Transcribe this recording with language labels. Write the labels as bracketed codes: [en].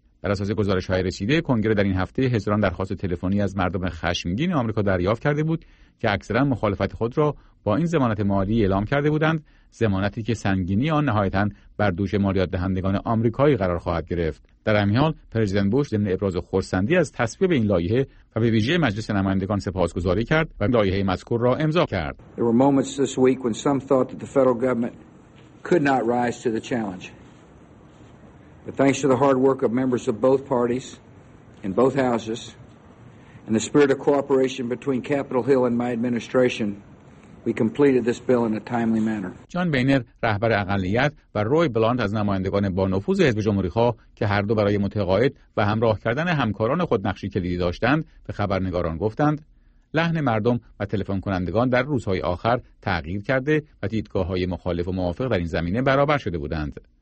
[fa] بر اساس گزارش‌های رسیده، کنگره در این هفته هزاران درخواست تلفنی از مردم خشمگین آمریکا دریافت کرده بود که اکثرا مخالفت خود را با این ضمانت مالی اعلام کرده بودند، ضمانتی که سنگینی آن نهایتاً بر دوش مالیات دهندگان آمریکایی قرار خواهد گرفت. در همین حال، پرزیدنت بوش ضمن ابراز خرسندی از تصویب این لایحه و به ویژه مجلس نمایندگان سپاسگزاری کرد و لایحه مذکور را امضا کرد. [en] There were moments this week when some thought that the federal government could not rise to the challenge. But thanks to the hard work of members of both parties in both houses and the spirit of cooperation between Capitol Hill and my administration, we completed this bill in a timely manner. [fa] جان بینر رهبر اقلیت و روی بلانت از نمایندگان با نفوذ حزب جمهوری‌خواه که هر دو برای متقاعد و همراه کردن همکاران خود نقشی کلیدی داشتند به خبرنگاران گفتند لحن مردم و تلفن کنندگان در روزهای آخر تغییر کرده و دیدگاه‌های مخالف و موافق در این زمینه برابر شده بودند.